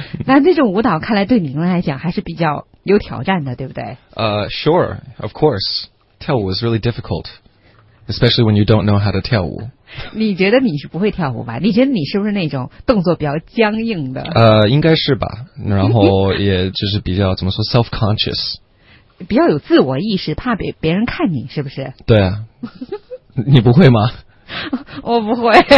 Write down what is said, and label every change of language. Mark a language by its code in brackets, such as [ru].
[zh] 那种舞蹈看来对您来讲还是比较有挑战的，对不对？ [en] Sure, of course. [zh] 跳舞 [en] is really difficult, especially when you don't know how to 跳舞。 [zh] 你觉得你是不会跳舞吧？你觉得你是不是那种动作比较僵硬的？应该是吧。然后也就是比较怎么说 self-conscious，比较有自我意识，怕被别人看你，是不是？对啊。你不会吗？我不会。